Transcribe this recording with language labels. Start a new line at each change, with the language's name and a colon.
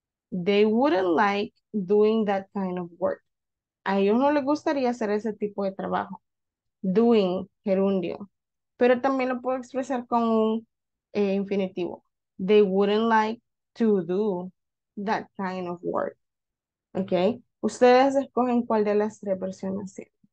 English: They wouldn't like doing that kind of work.
Spanish: A ellos no les gustaría hacer ese tipo de trabajo. Doing, gerundio. Pero también lo puedo expresar con un infinitivo.
English: They wouldn't like to do that kind of work. Okay?
Spanish: Ustedes escogen cuál de las tres versiones tienen.